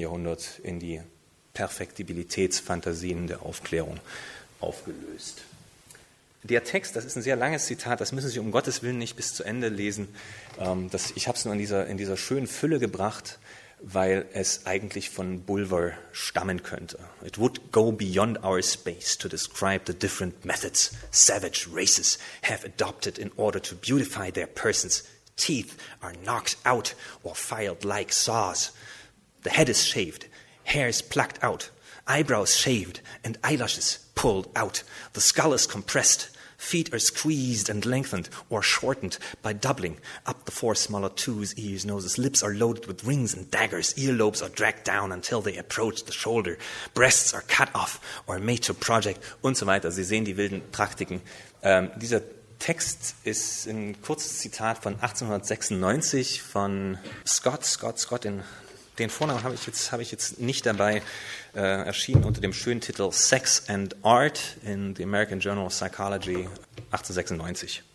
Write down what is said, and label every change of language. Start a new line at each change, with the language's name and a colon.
German: Jahrhundert in die Perfektibilitätsfantasien der Aufklärung aufgelöst. Der Text, das ist ein sehr langes Zitat, das müssen Sie um Gottes Willen nicht bis zu Ende lesen. Ich habe es nur in dieser schönen Fülle gebracht, weil es eigentlich von Bulwer stammen könnte.
English: It would go beyond our space to describe the different methods savage races have adopted in order to beautify their persons. Teeth are knocked out or filed like saws. The head is shaved, hairs plucked out, eyebrows shaved and eyelashes pulled out. The skull is compressed. Feet are squeezed and lengthened or shortened by doubling up the four smaller twos, ears, noses. Lips are loaded with rings and daggers. Earlobes are dragged down until they approach the shoulder. Breasts are cut off or made to project
German: und so weiter. Sie sehen die wilden Praktiken. Dieser Text ist ein kurzes Zitat von 1896 von Scott, den Vornamen habe ich jetzt nicht dabei, erschienen unter dem schönen Titel Sex and Art in the American Journal of Psychology 1896.